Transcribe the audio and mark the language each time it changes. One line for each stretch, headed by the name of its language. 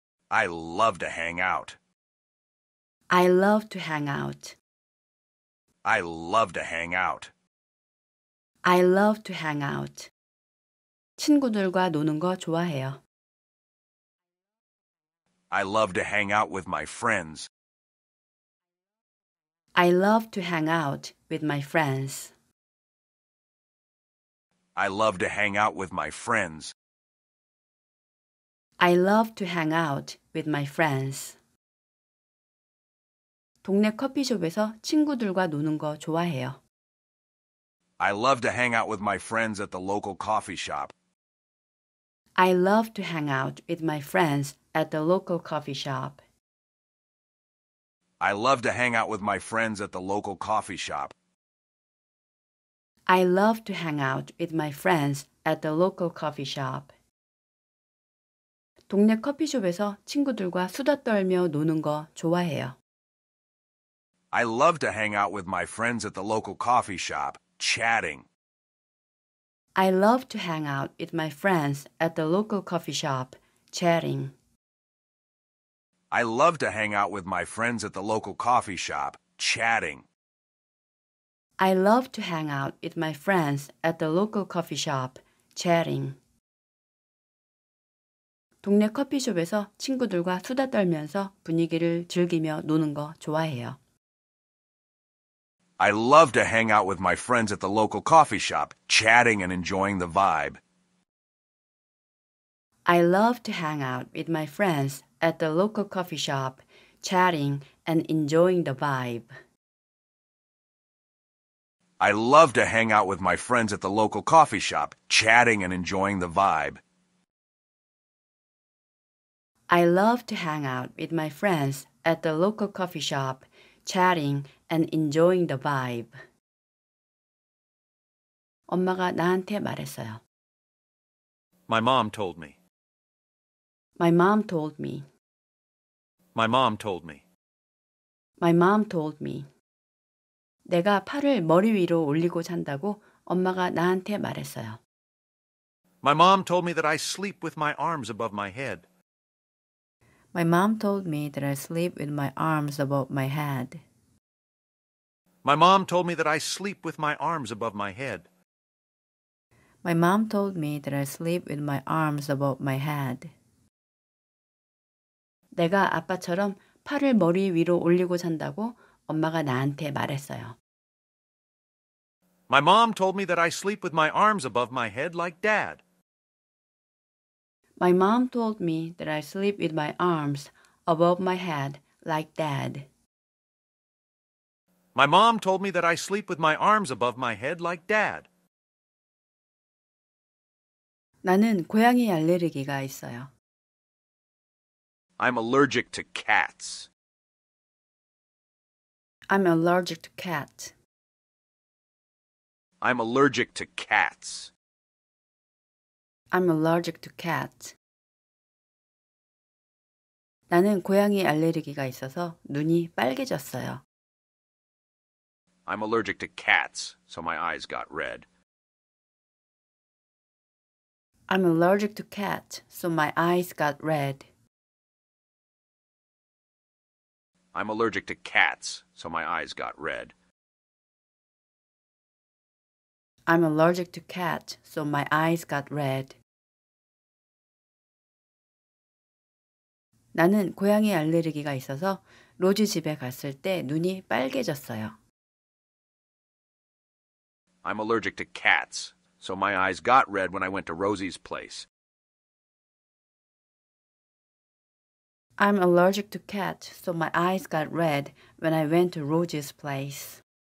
English: I love to hang out. I love to hang out. I love to hang out. I love to hang out.
Korean: 친구들과 노는 거 좋아해요.
English: I love to hang out with my friends. I love to hang out with my friends. I love to hang out with my friends. I love to hang out with my friends.
Korean: 동네 커피숍에서 친구들과 노는 거 좋아해요.
English: I love to hang out with my friends at the local coffee shop. I love to hang out with my friends at the local coffee shop. I love to hang out with my friends at the local coffee shop. I love to hang out with my friends at the local coffee shop.
Korean: 동네 커피숍에서 친구들과 수다 떨며 노는 거 좋아해요.
English: I love to hang out with my friends at the local coffee shop, chatting. I love to hang out with my friends at the local coffee shop, chatting. I love to hang out with my friends at the local coffee shop, chatting. I love to hang out with my friends at the local coffee shop, chatting.
Korean: 동네 커피숍에서 친구들과 수다 떨면서 분위기를 즐기며 노는 거 좋아해요.
English: I love to hang out with my friends at the local coffee shop, chatting and enjoying the vibe. I love to hang out with my friends at the local coffee shop, chatting and enjoying the vibe. I love to hang out with my friends at the local coffee shop, chatting and enjoying the vibe. I love to hang out with my friends at the local coffee shop, chatting and enjoying the vibe.
Korean: 엄마가 나한테 말했어요.
English: My mom told me. My mom told me. My mom told me. My mom told me.
Korean: 내가 팔을 머리 위로 올리고 잔다고 엄마가 나한테 말했어요.
English: My mom told me that I sleep with my arms above my head. My mom told me that I sleep with my arms above my head. My mom told me that I sleep with my arms above my head. My mom told me that I sleep with my arms above my head.
Korean: 내가 아빠처럼 팔을 머리 위로 올리고 잔다고 엄마가 나한테 말했어요.
English: My mom told me that I sleep with my arms above my head like dad. My mom told me that I sleep with my arms above my head like dad. My mom told me that I sleep with my arms above my head like dad.
Korean: 나는 고양이 알레르기가 있어요.
English: I'm allergic to cats. I'm allergic to cats. I'm allergic to cats. I'm allergic to cats.
Korean: 나는 고양이 알레르기가 있어서 눈이 빨개졌어요.
English: I'm allergic to cats, so my eyes got red. I'm allergic to cats, so my eyes got red. I'm allergic to cats, so my eyes got red. I'm allergic to cats, so my eyes got red.
Korean: 나는 고양이 알레르기가 있어서 로지 집에 갔을 때 눈이 빨개졌어요.
English: I'm allergic to cats, so my eyes got red when I went to Rosy's place. I'm allergic to cats, so my eyes got red when I went to Rosy's place.